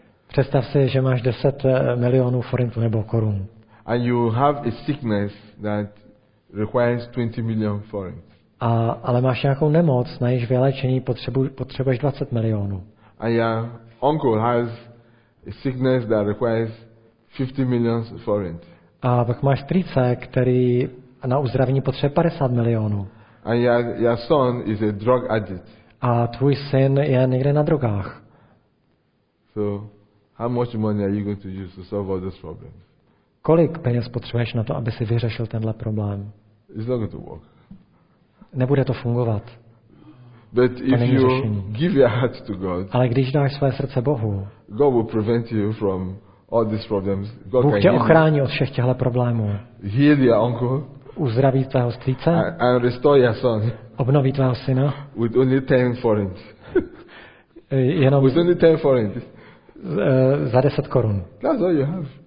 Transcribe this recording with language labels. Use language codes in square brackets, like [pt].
[cs] Představ si, že máš 10 milionů forintů nebo korun. [en] And you have a sickness that requires 20 million forint. [cs] Ale máš nějakou nemoc, na jejíž vyléčení potřebuješ 20 milionů. [en] And your uncle has a sickness that requires 50 million forint. [cs] A pak máš strýce, který na uzdravení potřebuje 50 milionů. [en] And your son is a drug addict. [cs] A tvůj syn je někde na drogách. [en] So, how much money are you going to use to solve all those problems? [cs] Kolik peněz potřebuješ na to, aby si vyřešil tenhle problém? [en] It's not going to work. [cs] Nebude to fungovat. [en] But if you give your heart to God, [cs] ale když dáš své srdce Bohu, [en] God will prevent you from all these problems. God [cs] Bůh tě ochrání od všech těchto problémů. [en] Heal your uncle. [cs] Uzdraví tvého strýce. [en] And restore your son. [cs] Obnoví tvého syna. [en] With only 10 forint. [cs] Jenom [en] with only 10 forint. [cs] Za 10 korun. [en] That's all you have.